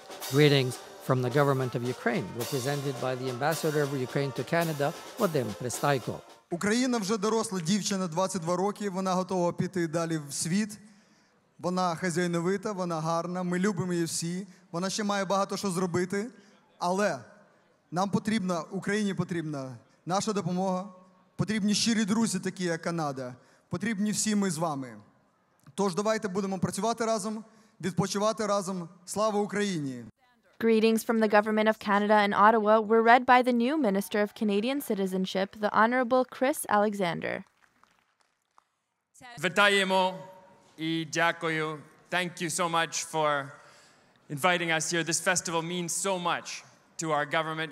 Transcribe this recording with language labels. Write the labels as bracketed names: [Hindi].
[English] Greetings from the government of Ukraine, represented by the ambassador of Ukraine to Canada, Vadim Pristaiko. [Ukrainian] Україна вже доросла дівчина, 22 роки, вона готова піти далі в світ. Вона хазяйновита, вона гарна, ми любимо її всі. Вона ще має багато що зробити, але нам потрібна, Україні потрібна наша допомога. Потрібні щирі друзі такі, як Канада. Потрібні всі ми з вами. Тож давайте будемо працювати разом, відпочивати разом. Слава Україні! [English] Greetings from the Government of Canada in Ottawa were read by the new Minister of Canadian Citizenship, the Honorable Chris Alexander. [Ukrainian] Вітаємо і дякую. [English] Thank you so much for inviting us here. This festival means so much to our government.